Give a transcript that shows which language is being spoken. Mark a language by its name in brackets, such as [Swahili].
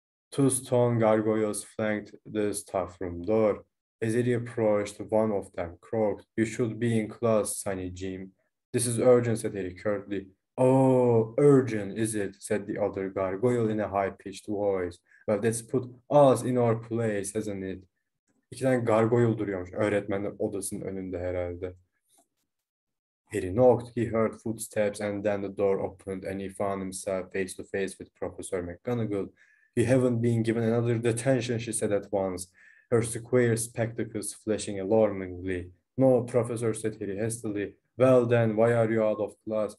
[English] Two stone gargoyles flanked the staff room door. As he approached, one of them croaked. "You should be in class, Sunny Jim." "This is urgent," said Harry curtly. "Oh, urgent, is it?" said the other gargoyle in a high-pitched voice. "Well, that's put us in our place, hasn't it?" [Turkish] İki tane gargoyle duruyormuş öğretmenler odasının önünde herhalde. [English] Harry knocked. He heard footsteps and then the door opened and he found himself face to face with Professor McGonagall. "You haven't been given another detention," she said at once, her square spectacles flashing alarmingly. "No, Professor," said Harry hastily. "Well then, why are you out of class?"